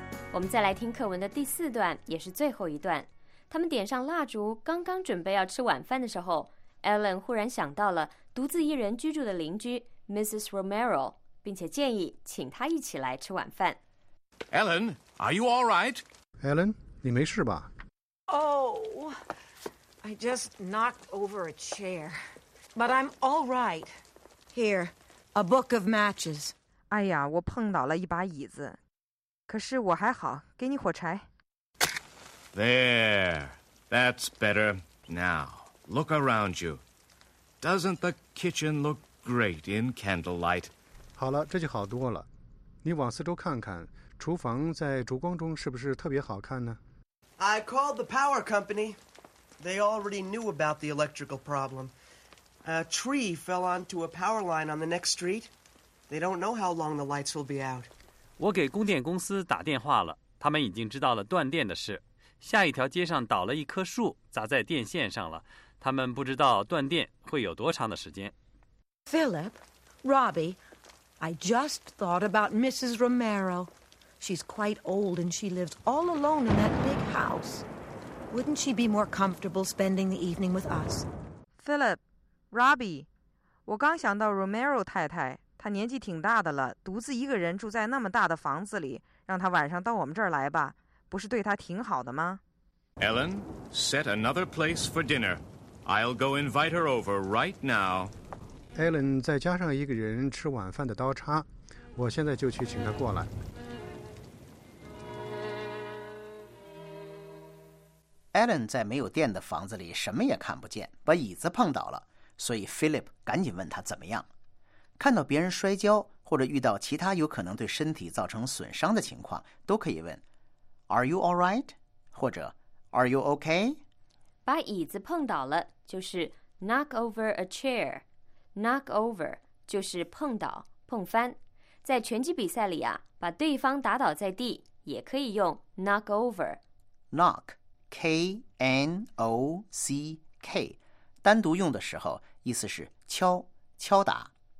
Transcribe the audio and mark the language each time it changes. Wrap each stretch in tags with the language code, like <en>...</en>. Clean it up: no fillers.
<zh>我们再来听课文的第四段，也是最后一段。他们点上蜡烛，刚刚准备要吃晚饭的时候， Ellen 忽然想到了独自一人居住的邻居 Mrs. Romero， 并且建议请她一起来吃晚饭。</zh> <en>Ellen, are you all right?</en> <zh>Ellen, 你没事吧？</zh> <en>Oh, I just knocked over a chair. But I'm all right. Here, a book of matches.</en> <zh>哎呀，我碰倒了一把椅子，可是我还好，给你火柴。</zh> <en>There, that's better. Now, look around you. Doesn't the kitchen look great in candlelight?</en> <zh>好了，这就好多了。你往四周看看，厨房在烛光中是不是特别好看呢？</zh> <en>I called the power company. They already knew about the electrical problem. A tree fell onto a power line on the next street. They don't know how long the lights will be out.</en> <zh>我给供电公司打电话了，他们已经知道了断电的事。下一条街上倒了一棵树，砸在电线上了，他们不知道断电会有多长的时间。</zh> <en>Philip, Robbie, I just thought about Mrs. Romero. She's quite old and she lives all alone in that big house. Wouldn't she be more comfortable spending the evening with us?</en> <zh>Philip, Robbie, 我刚想到 Romero 太太。他年纪挺大的了，独自一个人住在那么大的房子里，让他晚上到我们这儿来吧，不是对他挺好的吗？</zh> <en>Ellen, set another place for dinner. I'll go invite her over right now.</en> <zh>Ellen, 再加上一个人吃晚饭的刀叉，我现在就去请她过来。 Ellen 在没有电的房子里什么也看不见，把椅子碰倒了，所以 Philip 赶紧问他怎么样。看到别人摔跤或者遇到其他有可能对身体造成损伤的情况，都可以问</zh> <en>Are you alright?</en> <zh>或者</zh> <en>Are you okay?</en> <zh>把椅子碰倒了就是</zh> <en>knock over a chair.</en> <zh>Knock over 就是碰倒碰翻。在拳击比赛里啊，把对方打倒在地也可以用 knock over. Knock, K-N-O-C-K, 单独用的时候意思是敲敲打。</zh>